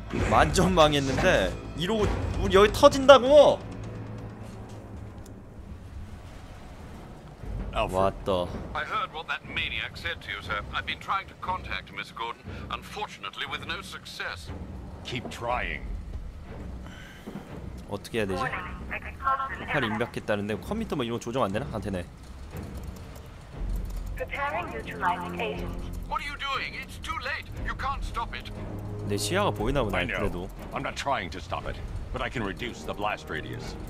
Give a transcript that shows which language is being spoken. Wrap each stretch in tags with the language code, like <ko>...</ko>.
<ko>완전 망했는데 이러고 우리 여기 터진다고? 왔다.</ko> <en>I heard what that maniac said to you, sir. I've been trying to contact Miss Gordon, unfortunately with no success. Keep trying.</en> <ko>어떻게 해야 되지? 팔 임박했다는데 컴퓨터 뭐 이런 거 조정 안 되나? 안 되네.</ko> <en>Preparing neutralizing agent. What are you doing? It's too late. You can't stop it.</en> <ko>내 시야가 보이나 보네 그래도.</ko> <en>I'm not trying to stop it. But I can reduce the blast radius.</en>